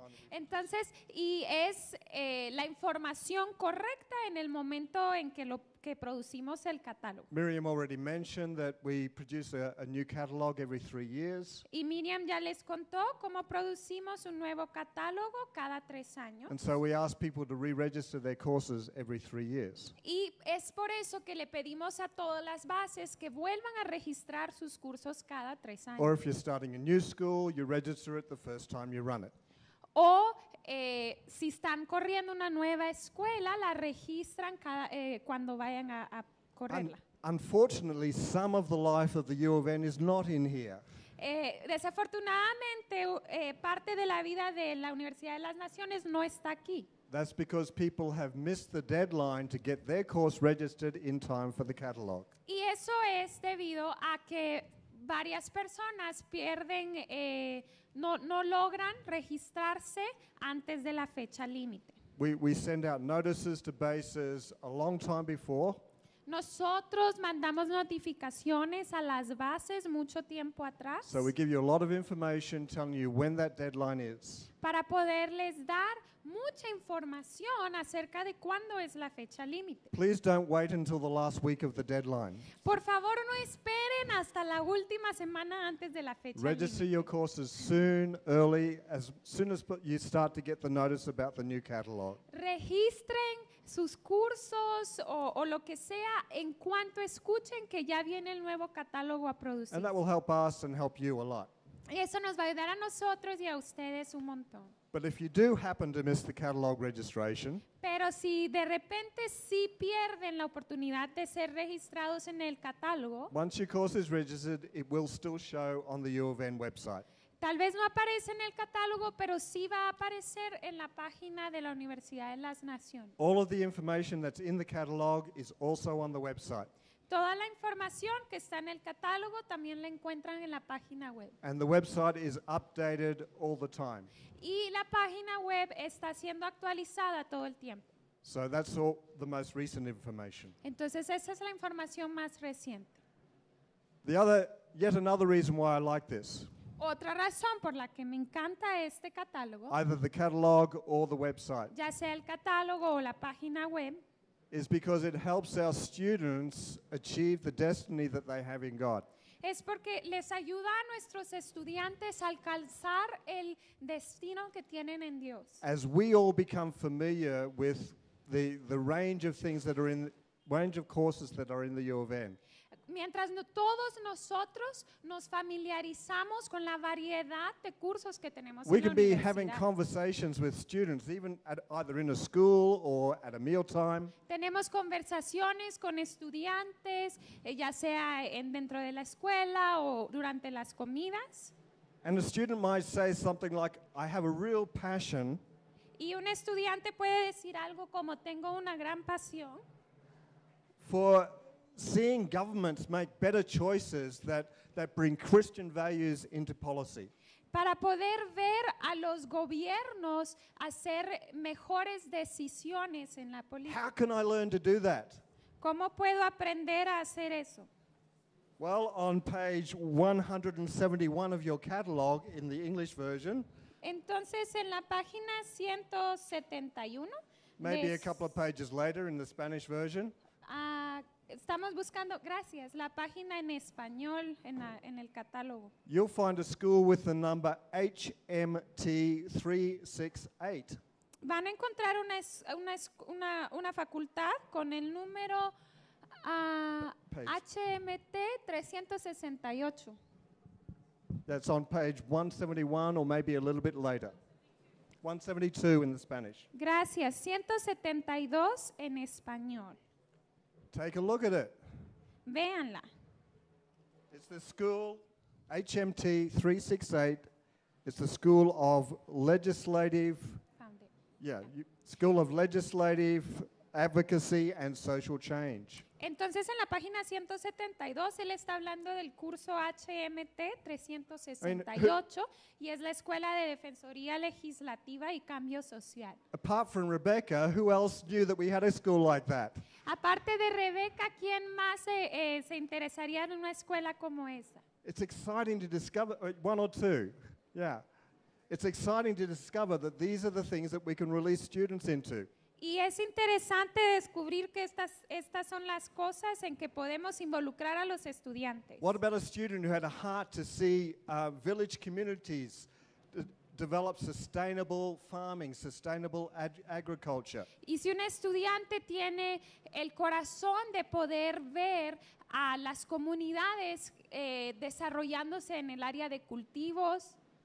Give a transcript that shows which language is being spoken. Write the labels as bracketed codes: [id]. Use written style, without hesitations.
[es] Entonces, y es la información correcta en el momento en que lo que producimos el catálogo. [en] Miriam already mentioned that we produce a new catalog every 3 years. [es] Y Miriam ya les contó cómo producimos un nuevo catálogo cada 3 años. [en] And so we ask people to re-register their courses every 3 years. [es] Y es por eso que le pedimos a todas las bases que vuelvan a registrar sus cursos cada 3 años. [en] Or if you're starting a new school, you register it the first time you run it. [es] O si están corriendo una nueva escuela, la registran cada, cuando vayan a correrla. [en] Unfortunately, some of the life of the U of N is not in here. [es] Desafortunadamente, parte de la vida de la Universidad de las Naciones no está aquí. [en] That's because people have missed the deadline to get their course registered in time for the catalog. [es] Y eso es debido a que varias personas pierden, no logran registrarse antes de la fecha límite. [en] We send out notices to bases a long time before. [es] Nosotros mandamos notificaciones a las bases mucho tiempo atrás. [en] So we give you a lot of information telling you when that deadline is. [es] Para poderles dar mucha información acerca de cuándo es la fecha límite. [en] Please don't wait until the last week of the deadline. [es] Por favor, no esperen hasta la última semana antes de la fecha límite. [en] Register your courses soon, early, as soon as you start to get the notice about the new catalog. [es] Registren sus cursos o lo que sea en cuanto escuchen que ya viene el nuevo catálogo a producir. [en] And that will help us and help you a lot. [es] Y eso nos va a ayudar a nosotros y a ustedes un montón. [en] But if you do happen to miss the catalog registration, [es] pero si de repente sí pierden la oportunidad de ser registrados en el catálogo, [en] once your course is registered, it will still show on the U of N website. [es] Tal vez no aparece en el catálogo, pero sí va a aparecer en la página de la Universidad de las Naciones. [en] All of the information that's in the catalog is also on the website. [es] Toda la información que está en el catálogo también la encuentran en la página web. [en] And the website is updated all the time. [es] Y la página web está siendo actualizada todo el tiempo. [en] So that's all the most recent information. [es] Entonces esa es la información más reciente. [en] The other, yet another reason why I like this. [es] Otra razón por la que me encanta este catálogo. [en] Either the catalog or the website. [es] Ya sea el catálogo o la página web. [en] Is because it helps our students achieve the destiny that they have in God. [es] Es porque les ayuda a nuestros estudiantes a alcanzar el destino que tienen en Dios. [en] As we all become familiar with the range of things that are in range of courses that are in the U of N. [es] Mientras todos nosotros nos familiarizamos con la variedad de cursos que tenemos en la universidad. [en] We can be having conversations with students, even at either in a school or at a mealtime. [es] Tenemos conversaciones con estudiantes, ya sea dentro de la escuela o durante las comidas. [en] And a student might say something like, I have a real passion. [es] Y un estudiante puede decir algo como, tengo una gran pasión. [en] For seeing governments make better choices that bring Christian values into policy. [es] Para poder ver a los gobiernos hacer mejores decisiones en la política. [en] How can I learn to do that? [es] ¿Cómo puedo aprender a hacer eso? [en] Well, on page 171 of your catalog in the English version. [es] Entonces, en la página 171. [en] Maybe a couple of pages later in the Spanish version. [es] Estamos buscando, gracias, la página en español en el catálogo. [en] You'll find a school with the number HMT368. [es] Van a encontrar una facultad con el número HMT368. [en] That's on page 171 or maybe a little bit later. 172 in the Spanish. [es] Gracias, 172 en español. [en] Take a look at it. [es] Véanla. [en] It's the school, HMT 368. It's the School of Legislative. Founded. Yeah, School of Legislative Advocacy and Social Change. [es] Entonces, en la página 172, él está hablando del curso HMT 368, y es la Escuela de Defensoría Legislativa y Cambio Social. [en] Apart from Rebecca, who else knew that we had a school like that? [es] Aparte de Rebecca, ¿quién más se interesaría en una escuela como esa? [en] It's exciting to discover, one or two, yeah. It's exciting to discover that these are the things that we can release students into. [es] Y es interesante descubrir que estas son las cosas en que podemos involucrar a los estudiantes. [en] What about a student who had a heart to see village communities develop sustainable farming, sustainable agriculture? [es] Y si un estudiante tiene el corazón de poder ver a las comunidades desarrollándose en el área de cultivos.